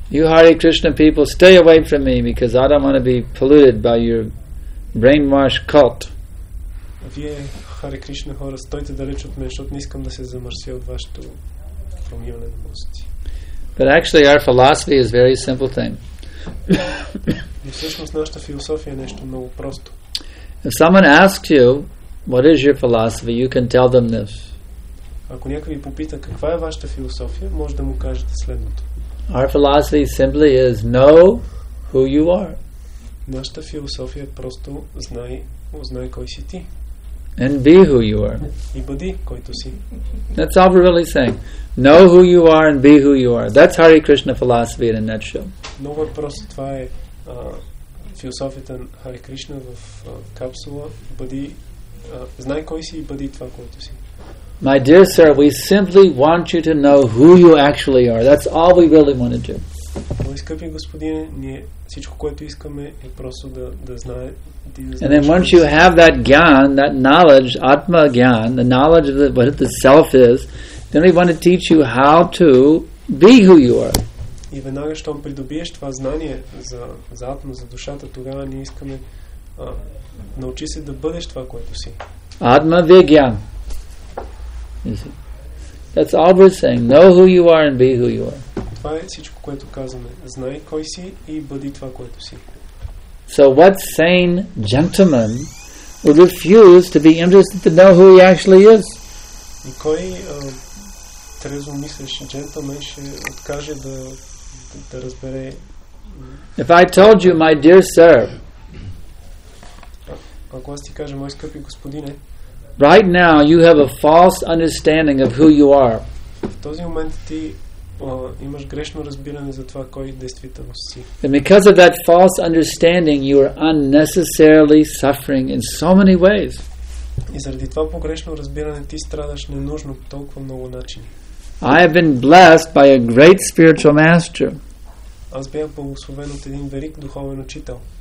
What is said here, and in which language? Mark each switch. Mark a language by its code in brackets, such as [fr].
[en] You Hare Krishna people, stay away from me because I don't want to be polluted by your brainwash cult. [bg] Вие Хари Кришна хора, стойте далеч от мен, защото не искам да се замърся от вашето промиване на мозъци. [en] But actually our philosophy is very simple thing. [bg] Но всъщност нашата философия е нещо много просто. [en] If someone asks you what is your philosophy, you can tell them this. [bg] Ако някой ви попита каква е вашата философия, може да му кажете следното. [en] Our philosophy simply is know who you are. [bg] Нашата философия е просто знай кой си ти. [en] And be who you are. [bg] И бъди който си. [en] That's all we're really saying. Know who you are and be who you are. That's Hare Krishna philosophy in a nutshell. [bg] Много е просто. Това е философията на Hare Krishna в капсула. Бъди, знай кой си и бъди това, което си. [en] My dear sir, we simply want you to know who you actually are. That's all we really want to do. [bg] Мой скъпи господине, ние всичко, което искаме, е просто да знае. [en] And then once you have that gyan, that knowledge, atma gyan, the knowledge of what the self is, then we want to teach you how to be who you are. [bg] И веднага, щом придобиеш това знание за атма, за душата, тогава ние искаме научи се да бъдеш това, което си. [sa] Atma vigyan. [en] That's all we're saying. Know who you are and be who you are. [bg] Това е всичко, което казваме. Знай кой си и бъди това, което си. [en] So what sane gentleman would refuse to be interested to know who he actually is? [bg] И кой трезво мислещ джентълмен ще откаже да разбере? [en] If I told you, my dear sir, [bg] ако аз ти кажа, мой скъпи господине, [en] right now you have a false understanding of who you are. [bg] В този момент ти имаш грешно разбиране за това кой действително си. [en] And because of that false understanding, you are unnecessarily suffering in so many ways. [bg] И заради това погрешно разбиране ти страдаш ненужно по толкова много начини. [en] I have been blessed by a great spiritual master. [bg] Аз бях благословен от един велик духовен учител.